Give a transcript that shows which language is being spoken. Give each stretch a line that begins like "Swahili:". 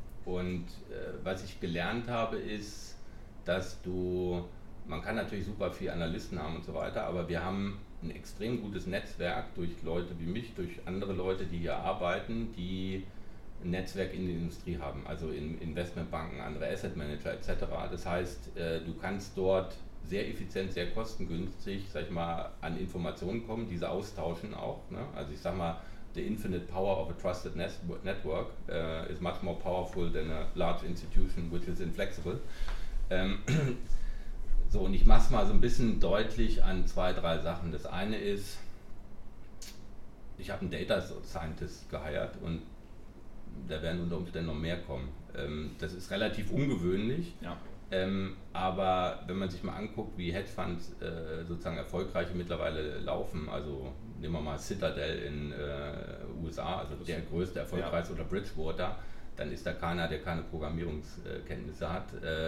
German: Und was ich gelernt habe, ist, dass man kann natürlich super viel Analysten haben und so weiter, aber wir haben ein extrem gutes Netzwerk durch Leute wie mich, durch andere Leute, die hier arbeiten, die ein Netzwerk in der Industrie haben, also in Investmentbanken, andere Asset Manager etc. Das heißt, du kannst dort sehr effizient, sehr kostengünstig, sag ich mal, an Informationen kommen, diese austauschen auch. Ne? Also ich sag mal,
English: the infinite power of a trusted network is much more powerful than a large institution which is inflexible.
German: So, und ich mach's mal so ein bisschen deutlich an 2, 3 Sachen. Das eine ist, ich habe einen Data Scientist geheiert und da werden unter Umständen noch mehr kommen. Das ist relativ ungewöhnlich. Ja. Aber wenn man sich mal anguckt, wie Hedgefonds sozusagen erfolgreich mittlerweile laufen, also nehmen wir mal Citadel in USA, also der größte erfolgreichste, oder Bridgewater, dann ist da keiner, der keine Programmierungskenntnisse hat.